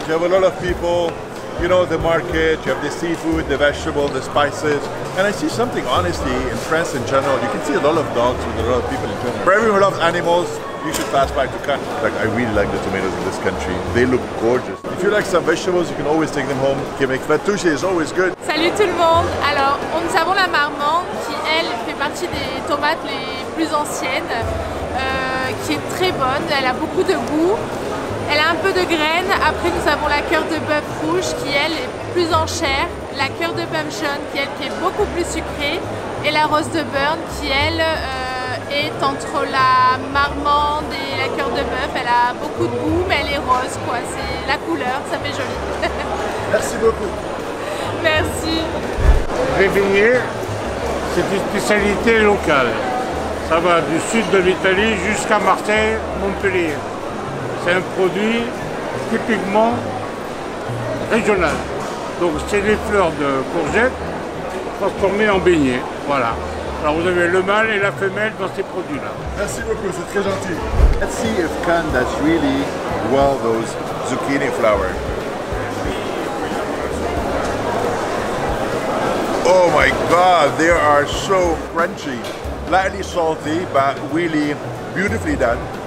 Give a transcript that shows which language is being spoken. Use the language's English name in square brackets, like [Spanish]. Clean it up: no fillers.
[English] You have a lot of people. You know, the market, you have the seafood, the vegetable, the spices. And I see something, honestly, in France in general, you can see a lot of dogs with a lot of people in general. For everyone who loves animals, you should pass by to Cannes. Like, I really like the tomatoes in this country. They look gorgeous. If you like some vegetables, you can always take them home. Québec fatouche is always good. [French] Salut tout le monde. Alors, nous avons la marmande, qui, elle, fait partie des tomates les plus anciennes, qui est très bonne. Elle a beaucoup de goût. Elle a un peu de graines, après nous avons la cœur de bœuf rouge qui elle est plus en chair, la cœur de bœuf jaune qui elle qui est beaucoup plus sucrée et la rose de Bern qui elle est entre la marmande et la cœur de bœuf, elle a beaucoup de goût mais elle est rose quoi, c'est la couleur, ça fait joli. Merci beaucoup. Merci. Briny, c'est une spécialité locale, ça va du sud de l'Italie jusqu'à Marseille, Montpellier. C'est un produit typiquement régional. Donc c'est les fleurs de courgette transformées en beignet. Voilà. Alors vous avez le mâle et la femelle dans ces produits-là. Merci beaucoup, c'est très gentil. [English] Let's see if Cannes does really well those zucchini flowers. Oh my god, they are so crunchy. Lightly salty, but really beautifully done.